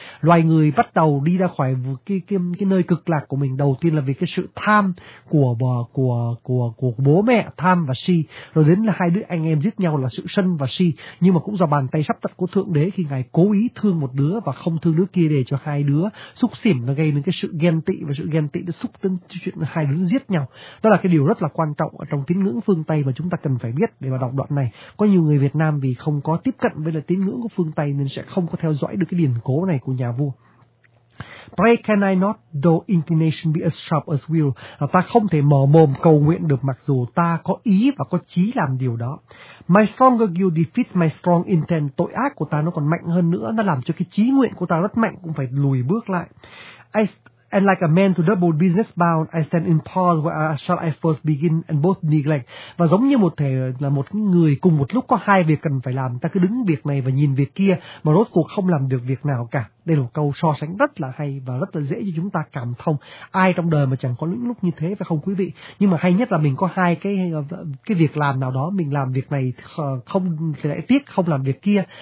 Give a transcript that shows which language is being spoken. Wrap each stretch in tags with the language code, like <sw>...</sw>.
<vi>Loài người bắt đầu đi ra khỏi cái nơi cực lạc của mình, đầu tiên là vì cái sự tham của bố mẹ, tham và si, rồi đến là hai đứa anh em giết nhau là sự sân và si, nhưng mà cũng do bàn tay sắp đặt của thượng đế khi ngài cố ý thương một đứa và không thương đứa kia để cho hai đứa xúc xỉm, nó gây nên cái sự ghen tị, và sự ghen tị nó xúc đến chuyện hai đứa giết nhau. Đó là cái điều rất là quan trọng ở trong tín ngưỡng phương Tây mà chúng ta cần phải biết để mà đọc đoạn này. Có nhiều người Việt Nam vì không có tiếp cận với là tín ngưỡng của phương Tây nên sẽ không có theo dõi được cái điển cố này của nhà vua.</vi> <en>Pray can I not, though inclination be as sharp as will.</en> <vi>Ta không thể mở mồm cầu nguyện được mặc dù ta có ý và có chí làm điều đó.</vi> <en>My stronger will defeats my strong intent.</en> <vi>Tội ác của ta nó còn mạnh hơn nữa, nó làm cho cái chí nguyện của ta rất mạnh cũng phải lùi bước lại.</vi> <en>And like a man to double business bound, I stand in pause where shall I first begin and both neglect.</en> <vi>Và giống như một thể là một người cùng một lúc có hai việc cần phải làm, ta cứ đứng việc này và nhìn việc kia mà rốt cuộc không làm được việc nào cả. Đây là một câu so sánh rất là hay và rất là dễ cho chúng ta cảm thông. Ai trong đời mà chẳng có những lúc như thế phải không quý vị? Nhưng mà hay nhất là mình có hai cái việc làm nào đó, mình làm việc này không thì lại tiếc, không làm việc kia.</vi>